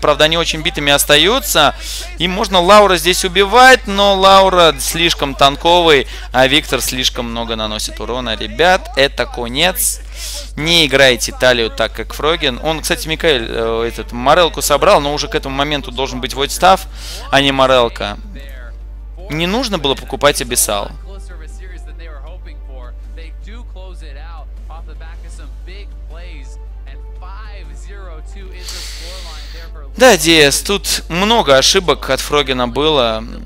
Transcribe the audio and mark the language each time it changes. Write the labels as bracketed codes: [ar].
[ru] Правда, они очень битыми остаются. И можно Лаура здесь убивать, но Лаура слишком танковый, а Виктор слишком много наносит урона. Ребят, это конец. Не играйте Талию так, как Фрогин. Он, кстати, Микаэль, этот, Морелку собрал, но уже к этому моменту должен быть Войтстав, а не Морелка. Не нужно было покупать Абиссал. [en] they were hoping for. They do close it out off the back of some big plays. And 5-0-2 is the scoreline there for... [ru] Да, Диэс, тут много ошибок от Фрогина было.